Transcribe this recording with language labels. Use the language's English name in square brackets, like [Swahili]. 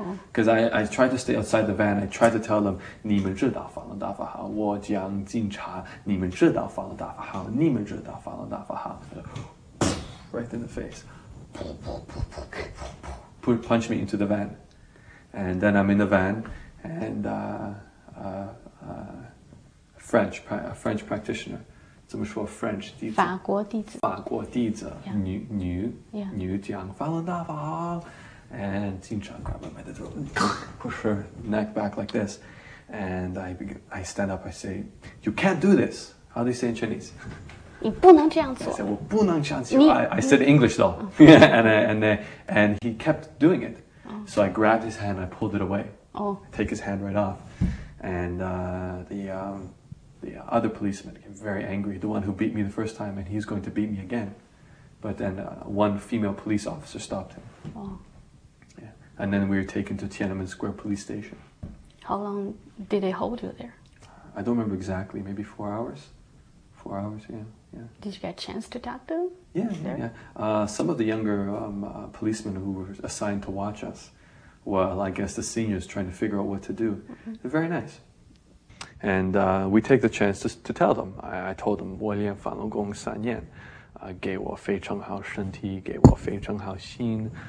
[English] Because I tried to stay outside the van. I tried to tell them, [Chinese] 你们知道法轮大法好,我讲警察,你们知道法轮大法好,你们知道法轮大法好. [English] Right in the face. Punch me into the van. And then I'm in the van, and a French practitioner. [Chinese] 怎么说 French 法国弟子,女讲法轮大法好. [English] And Jincha grabbed him by the throat and push her neck back like this. And I stand up, I say, you can't do this. How do you say in Chinese? [Chinese] 你不能这样做。 [English] I said, [Chinese] 我不能这样做。 [English] I said English though. and he kept doing it. So I grabbed his hand, I pulled it away. Take his hand right off. And the other policeman became very angry, the one who beat me the first time, and he's going to beat me again. But then one female police officer stopped him. And then we were taken to Tiananmen Square police station. How long did they hold you there? I don't remember exactly, maybe 4 hours. 4 hours, yeah. Did you get a chance to talk to them? Yeah. Some of the younger policemen who were assigned to watch us, well, I guess the seniors trying to figure out what to do. Mm-hmm. They're very nice. And we take the chance to tell them. I told them, [Chinese] 我练法轮功三年。给我非常好身体，给我非常好心。